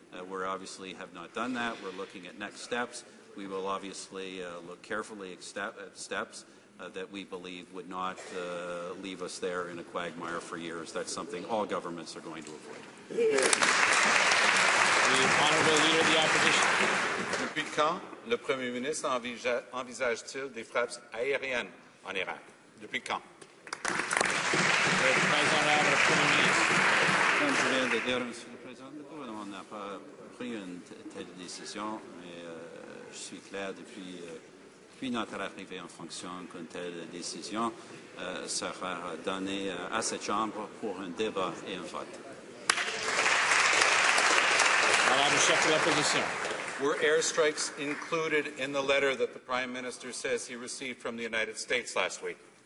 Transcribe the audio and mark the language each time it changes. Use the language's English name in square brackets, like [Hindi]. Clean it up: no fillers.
[English] We obviously have not done that. We're looking at next steps. We will obviously look carefully at steps. that we believe would not leave us there in a quagmire for years. That's something all governments are going to avoid. The Honourable Leader of the Opposition. [French] Depuis quand le Premier ministre envisage-t-il des frappes aériennes en Irak? Depuis quand? Le Président de la Commission. Je viens de dire, Monsieur le Président, le gouvernement n'a pas pris une telle décision, mais je suis clair depuis. Puis notre arrivée en fonction qu'une telle décision sera donnée à cette Chambre pour un débat et un vote. Madame le chef de l'opposition. [English] Were airstrikes included in the letter that the Prime Minister says he received from the United States last week?